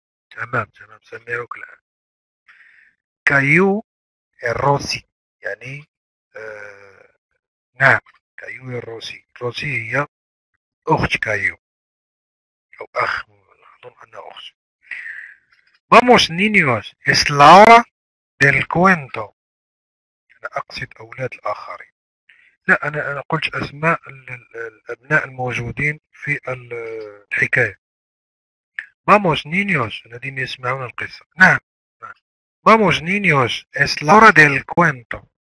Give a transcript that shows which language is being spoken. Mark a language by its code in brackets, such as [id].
[ar] تمام، سمعوك الآن. كايو الروسي يعني نعم، كايو الروسي، روسي هي أخت كايو أو أخ، أظن أنها أخت. [es] vamos niños es la hora del cuento. [ar] أنا أقصد أولاد الآخرين، لا أنا قلت أسماء الأبناء الموجودين في الحكاية. [es] vamos niños [ar] الذين يسمعون القصة. نعم، [es] vamos niños es la hora del cuento.